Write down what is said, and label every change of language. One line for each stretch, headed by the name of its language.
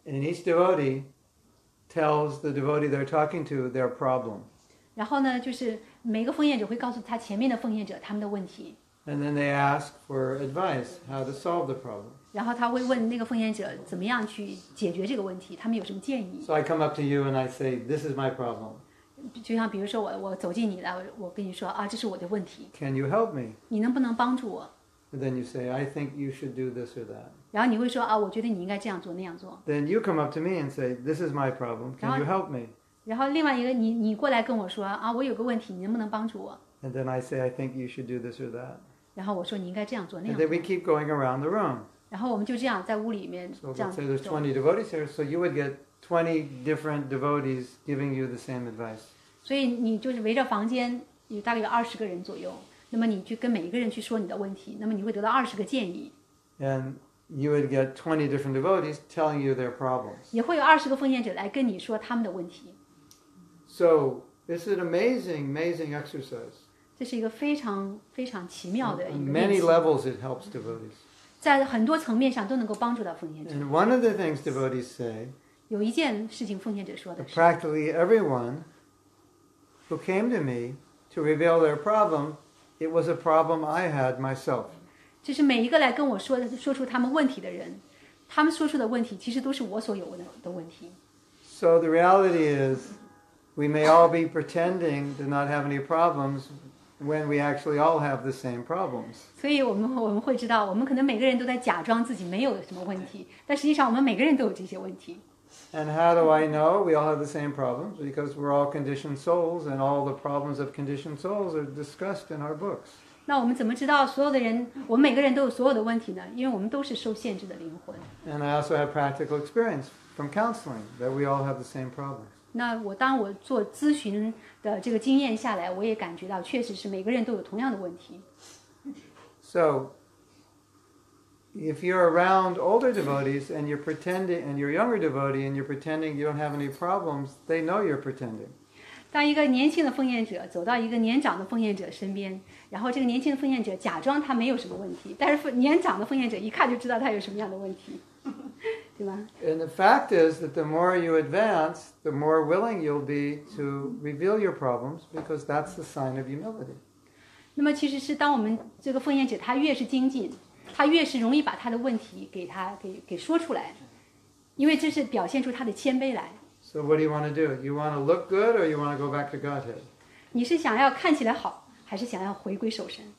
English: And each devotee tells the devotee they're talking to their problem.
Chinese: 然后呢，就是每个奉献者会告诉他前面的奉献者他们的问题。
English: And then they ask for advice how to solve the problem.
Chinese: 然后他会问那个奉献者怎么样去解决这个问题，他们有什么建议。
English: So I come up to you and I say, this is my problem.
Chinese: 就像比如说我走进你了，我跟你说啊，这是我的问题。
English: Can you help me?
Chinese: 你能不能帮助我？
English: And then you say, I think you should do this or that.
Chinese: 然后你会说啊，我觉得你应该这样做那样做。
English: Then you come up to me and say, this is my problem. Can you help me?
Chinese: 然后另外一个你过来跟我说啊，我有个问题，你能不能帮助我？
English: And then I say I think you should do this or that.
Chinese: 然后我说你应该这样做那样做。
English: And then we keep going around the room.
Chinese: 然后我们就这样在屋里面这样走。
English: So let's say there's 20 devotees here, so you would get 20 different devotees giving you the same advice.
Chinese: 所以你就是围着房间有大概有二十个人左右，那么你去跟每一个人去说你的问题，那么你会得到二十个建议。
English: And you would get 20 different devotees telling you their problems.
Chinese: 也会有二十个奉献者来跟你说他们的问题。
English: So, this is an amazing, amazing exercise.
Chinese: 这是一个非常非常奇妙的一个练习。
English: Many levels it helps devotees.
Chinese: 在很多层面上都能够帮助到奉献者。
English: And one of the things devotees say,
Chinese: 有一件事情奉献者说的是,
English: practically everyone who came to me to reveal their problem, it was a problem I had myself.
Chinese: 就是每一个来跟我说出他们问题的人，他们说出的问题其实都是我所有的问题。
English: So the reality is,We may all be pretending to not have any problems when we actually all have the same problems.
Chinese: 所以我们会知道，我们可能每个人都在假装自己没有什么问题，但实际上我们每个人都有这些问题。
English: And how do I know we all have the same problems? Because we're all conditioned souls, and all the problems of conditioned souls are discussed in our books.
Chinese: 那我们怎么知道所有的人，我们每个人都有所有的问题呢？因为我们都是受限制的灵魂。
English: And I also have practical experience from counseling that we all have the same problems.
Chinese: 那我当我做咨询的这个经验下来，我也感觉到确实是每个人都有同样的问题。
English: So, if you're around older devotees and you're pretending, and you're a younger devotee and you're pretending you don't have any problems, they know you're pretending.
Chinese: 当一个年轻的奉献者走到一个年长的奉献者身边，然后这个年轻的奉献者假装他没有什么问题，但是年长的奉献者一看就知道他有什么样的问题。
English: And the fact is that the more you advance, the more willing you'll be to reveal your problems, because that's the sign of humility.
Chinese: 那么其实是当我们这个奉献者他越是精进，他越是容易把他的问题给说出来，因为这是表现出他的谦卑来。
English: So what do you want to do? You want to look good, or you want to go back to Godhead?
Chinese: 你是想要看起来好，还是想要回归守身？